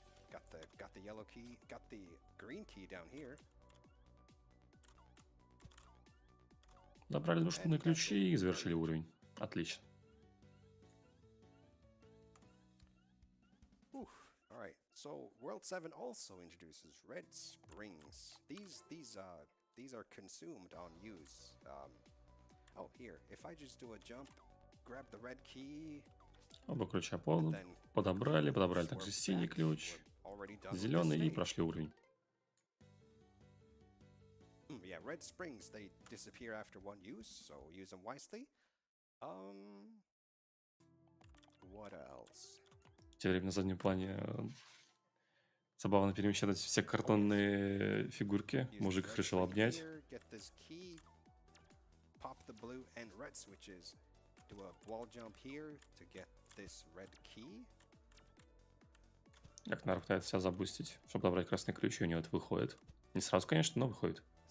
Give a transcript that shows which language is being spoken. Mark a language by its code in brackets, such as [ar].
[en] Got the yellow key, got the green key down here. [ru] Добрали нужные ключи и завершили уровень. Отлично. [en] Oof. All right. So World 7 also introduces red springs. These are consumed on use. Oh, here. If I just do a jump, grab the red key. [ru] Оба ключа подобрали также синий ключ. Зеленый и прошли уровень. [en] Yeah, red springs they disappear after one use, so use them wisely. What else? [ru] Тем временем на заднем плане забавно перемещать все картонные фигурки. Мужик их решил обнять. [en] Get this key, pop the blue and red switches, do a wall jump here to get this red key. [ru] Как Наро пытается себя забустить, чтобы добрать красный ключ, и у него это выходит. Не сразу, конечно, но выходит.